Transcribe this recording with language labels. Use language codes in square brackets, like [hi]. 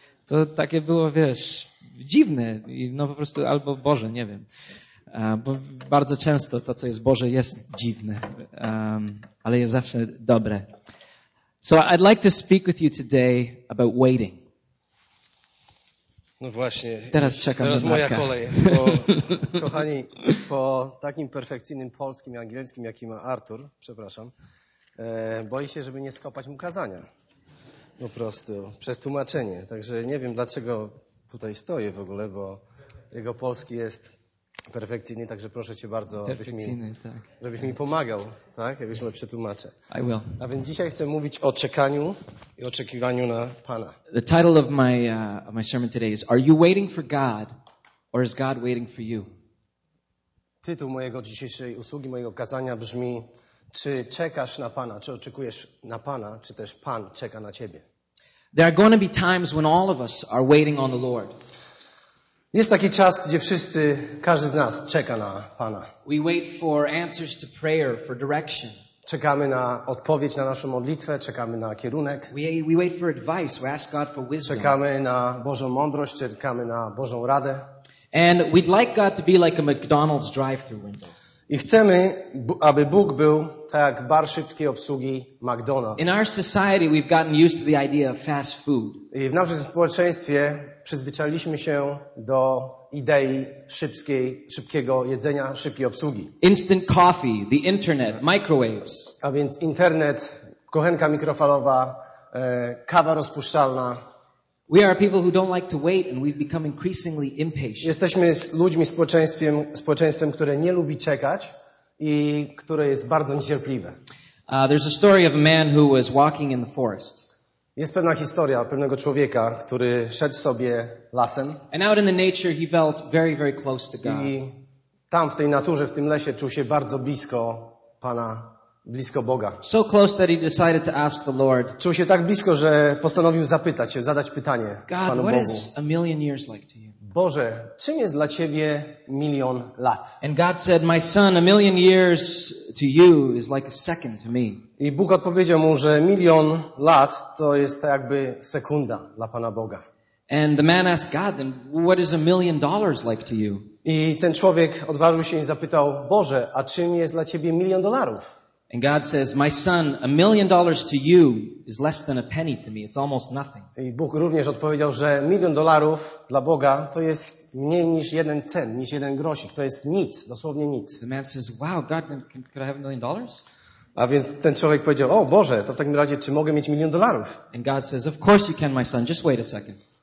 [pl] To takie było, wiesz, dziwne. No po prostu albo Boże, nie wiem. Bo bardzo często to, co jest Boże, jest dziwne. Ale jest zawsze dobre. [en] So I'd like to speak with you today about waiting. [pl] No właśnie. Teraz czekam teraz na moja matka. Kolej. Kochani, po takim perfekcyjnym polskim i angielskim, jaki ma Artur, przepraszam, boję się, żeby nie skopać mu kazania. Po prostu przez tłumaczenie. Także nie wiem, dlaczego tutaj stoję w ogóle, bo jego polski jest perfekcyjny, także proszę cię bardzo, żebyś mi pomagał, tak? Jakbyś lepiej tłumaczę. [en] I will. [pl] A więc dzisiaj chcę mówić o czekaniu i oczekiwaniu na Pana. [en] The title of my sermon today is Are you waiting for God or is God waiting for you? [pl] Tytuł mojego dzisiejszej usługi, mojego kazania brzmi: czy czekasz na Pana, czy oczekujesz na Pana, czy też Pan czeka na ciebie? [en] There are going to be times when all of us are waiting on the Lord. [pl] Jest taki czas, gdzie wszyscy, każdy z nas czeka na Pana. [en] We wait for answers to prayer, for direction. [pl] Czekamy na odpowiedź na naszą modlitwę, czekamy na kierunek. [en] We wait for advice, we ask God for wisdom. [pl] Czekamy na Bożą mądrość, czekamy na Bożą radę. [en] And we'd like God to be like a McDonald's drive-through window. [pl] I chcemy, aby Bóg był tak jak bar szybkiej obsługi McDonald's. [en] In our society we've gotten used to the idea of fast food. [pl] I w naszym społeczeństwie przyzwyczailiśmy się do idei szybkiego jedzenia, szybkiej obsługi. [en] Instant coffee, the internet, microwaves. [pl] A więc internet, kuchenka mikrofalowa, kawa rozpuszczalna. [en] We are people who don't like to wait and we've become increasingly impatient. [pl] Jesteśmy ludźmi społeczeństwem, które nie lubi czekać i które jest bardzo niecierpliwe. [en] There's a story of a man who was walking in the forest. [pl] Jest pewna historia pewnego człowieka, który szedł sobie lasem. [en] And out in the nature he felt very, very close to God. [pl] I tam w tej naturze, w tym lesie czuł się bardzo blisko Pana. Blisko Boga. [en] So close that he decided to ask the Lord. [pl] Czuł się tak blisko, że postanowił zapytać się, zadać pytanie [en] God, [pl] Panu Bogu. [en] What is a million years like to you? [pl] Boże, czym jest dla ciebie milion lat? [en] And God said, my son, a million years to you is like a second to me. [pl] I Bóg odpowiedział mu, że milion lat to jest jakby sekunda dla Pana Boga. [en] And the man asked God, then what is a million dollars like to you? [pl] I ten człowiek odważył się i zapytał: Boże, a czym jest dla ciebie milion dolarów? [en] And God says, my son, a million dollars to you is less than a penny to me. It's almost nothing. [pl] I Bóg również odpowiedział, że milion dolarów dla Boga to jest mniej niż jeden cent, niż jeden grosik. To jest nic, dosłownie nic. [en] The man says, wow, God, could I have a million dollars? [pl] A więc ten człowiek powiedział, o Boże, to w takim razie, czy mogę mieć milion dolarów? [en] And God says, of course you can, my son, just wait a second.